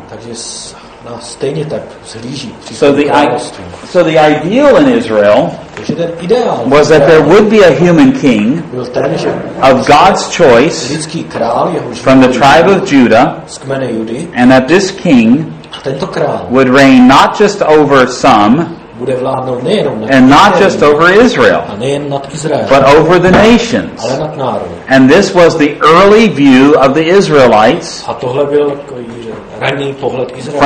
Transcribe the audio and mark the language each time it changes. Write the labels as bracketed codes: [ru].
[cs] Takže na stejně tak zhlíží. [en] So the ideal in Israel [cs] ideál, [en] was that there would be a human king [cs] ten, [en] of God's choice [cs] král, [en] from the tribe of Judah [cs] z kmene Judy, [en] and that this king [cs] tento král [en] would reign not just over some [cs] bude vládnout nejenom nad [en] and not just over Israel, [cs] a nejen nad Izrael, [en] but over the nations. [cs] Ale nad národy. [en] And this was the early view of the Israelites [cs] a tohle byl ranný pohled Izraelců,